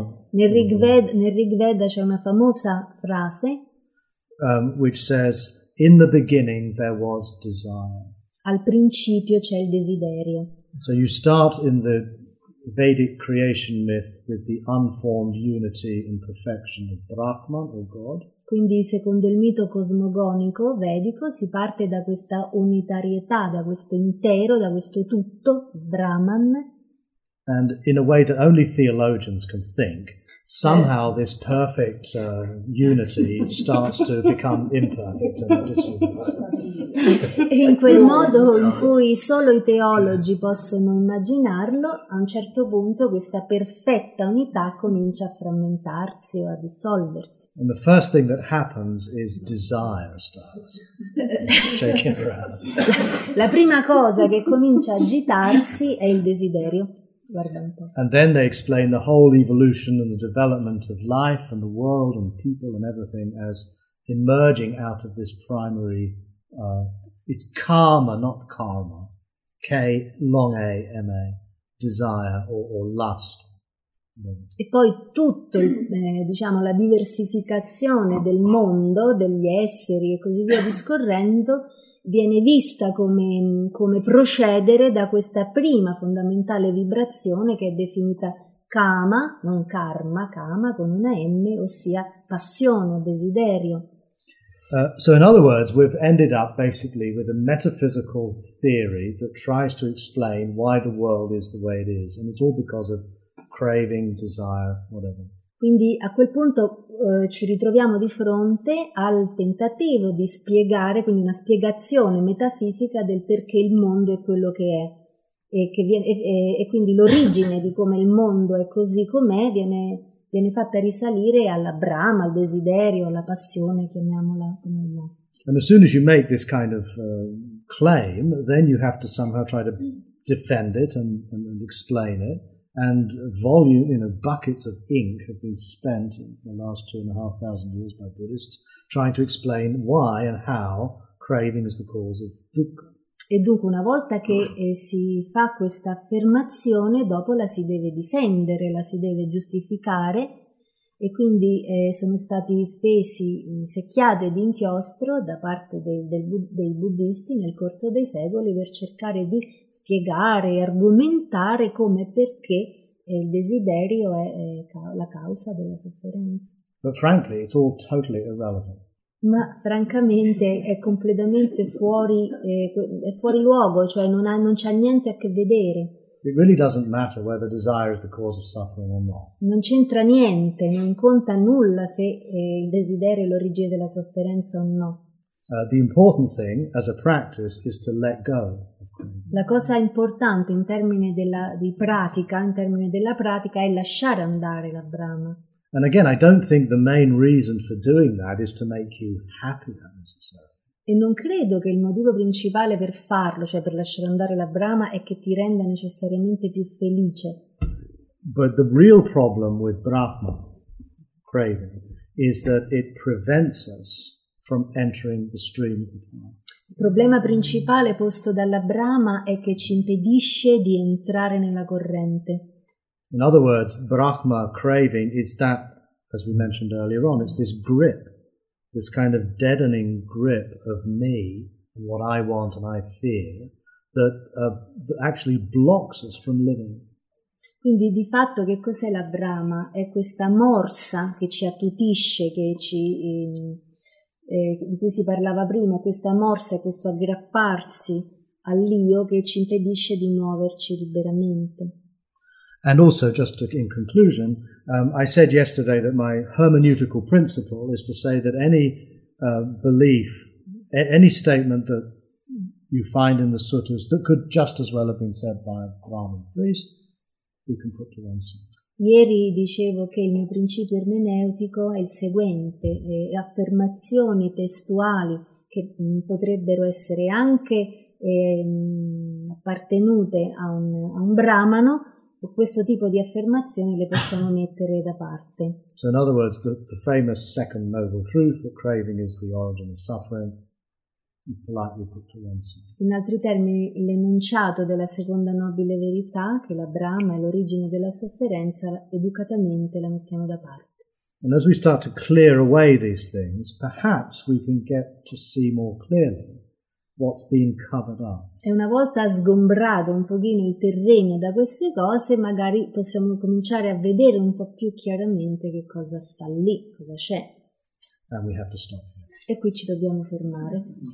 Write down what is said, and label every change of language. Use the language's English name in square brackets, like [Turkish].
[Italian] Nel Rig Veda c'è una famosa frase. [English] Which says, "In the beginning there was desire." [Italian] Al principio c'è il desiderio. [English] So you start in the Vedic creation myth with the unformed unity and perfection of Brahman or God. [Italian] Quindi secondo il mito cosmogonico vedico si parte da questa unitarietà, da questo intero, da questo tutto, Brahman. [English] And in a way that only theologians can think, somehow this perfect unity starts to become imperfect and disunified. [Italian] In quel modo in cui solo i teologi possono immaginarlo, a un certo punto questa perfetta unità comincia a frammentarsi o a dissolversi. [English] And the first thing that happens is desire starts shaking around. [Italian] La prima cosa che comincia a agitarsi è il desiderio. [English] And then they explain the whole evolution and the development of life and the world and people and everything as emerging out of this primary, it's karma, not karma, K long A M A, desire or lust. [Italian] E poi tutto, diciamo, la diversificazione del mondo, degli esseri e così via discorrendo, viene vista come procedere da questa prima fondamentale vibrazione che è definita kama, non karma, kama con una M, ossia passione, desiderio. [English] So in other words, we've ended up basically with a metaphysical theory that tries to explain why the world is the way it is, and it's all because of craving, desire, whatever. [Italian] Quindi a quel punto ci ritroviamo di fronte al tentativo di spiegare, quindi una spiegazione metafisica del perché il mondo è quello che è. E quindi l'origine di come il mondo è così com'è viene viene fatta risalire alla Brahma, al desiderio, alla passione, chiamiamola come vogliamo. [English] And as soon as you make this kind of claim, then you have to somehow try to defend it and explain it. And volume, you know, buckets of ink have been spent in the last 2,500 years by Buddhists trying to explain why and how craving is the cause of dukkha. [Italian] E dunque, una volta che si fa questa affermazione, dopo la si deve difendere, la si deve giustificare. E quindi sono stati spesi secchiate di inchiostro da parte dei buddhisti nel corso dei secoli per cercare di spiegare e argomentare come e perché il desiderio è la causa della sofferenza. [English] But frankly, it's all totally irrelevant. [Italian] Ma francamente è completamente fuori luogo, cioè non c'ha niente a che vedere. [English] It really doesn't matter whether desire is the cause of suffering or not. [Italian] Non c'entra niente, non conta nulla se il desiderio è l'origine della sofferenza o no. [English] The important thing as a practice is to let go. [Italian] La cosa importante in termini della pratica è lasciare andare la brama. [English] And again, I don't think the main reason for doing that is to make you happier necessarily. [Italian] E non credo che il motivo principale per farlo, cioè per lasciare andare la brama, è che ti renda necessariamente più felice. [English] But the real problem with brahma, craving, is that it prevents us from entering the stream of the path. [Italian] Il problema principale posto dalla brama è che ci impedisce di entrare nella corrente. [English] In other words, brahma, craving, is that, as we mentioned earlier on, it's this grip. This kind of deadening grip of me and what I want and I fear that actually blocks us from living. [Italian] Quindi di fatto che cos'è la brama? È questa morsa che ci attutisce, che ci di cui si parlava prima, questa morsa, questo aggrapparsi all'io che ci impedisce di muoverci liberamente. [English] And also, just in conclusion, I said yesterday that my hermeneutical principle is to say that any belief, any statement that you find in the suttas that could just as well have been said by a Brahmin priest, you can put to one side. [Italian] Ieri dicevo che il mio principio ermeneutico è il seguente: affermazioni testuali che potrebbero essere anche appartenute a un brahmano. Questo tipo di affermazioni le possiamo mettere da parte. [English] So in other words, the famous second noble truth that craving is the origin of suffering, politely put to one side. [Italian] In altri termini, l'enunciato della seconda nobile verità, che la brahma è l'origine della sofferenza, educatamente la mettiamo da parte. [English] And as we start to clear away these things, perhaps we can get to see more clearly what's being covered up. [Italian] E una volta sgombrato un pochino il terreno da queste cose, magari possiamo cominciare a vedere un po' più chiaramente che cosa sta lì, cosa c'è. [English] And we have to stop. [Italian] E qui ci dobbiamo fermare.